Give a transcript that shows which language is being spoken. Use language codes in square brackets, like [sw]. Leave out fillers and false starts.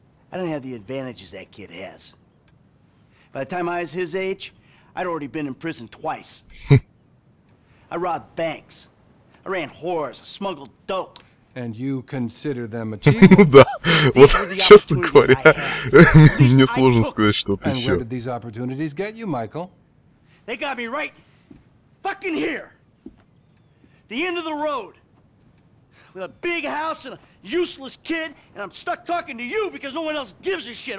[en] I don't have the advantages that kid has. By the time I was his age, I'd already been in prison twice. I robbed banks. I ran whores, I smuggled dope. And you consider them achievable? [ru] Да, вот честно говоря, мне сложно сказать что-то еще. [en] And where did these opportunities get you, Michael? They got me right fucking here. The end of the road. With a big house and a useless kid, and I'm stuck talking to you because no one else gives a shit.